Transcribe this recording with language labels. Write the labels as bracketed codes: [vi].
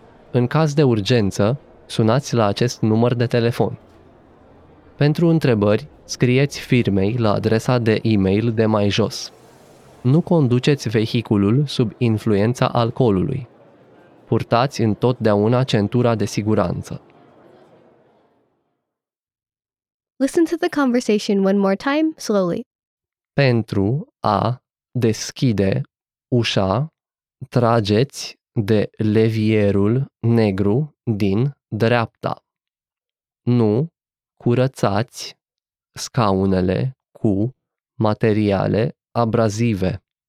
[ro] În caz de urgență, sunați la acest număr de telefon. Pentru întrebări, scrieți firmei la adresa de e-mail de mai jos. Nu conduceți vehiculul sub influența alcoolului. Purtați întotdeauna centura de siguranță. [en] Listen to the conversation one more time, slowly. [ro] Pentru a deschide ușa, trageți de levierul negru din dreapta. Nu curățați scaunele cu materiale abrazive.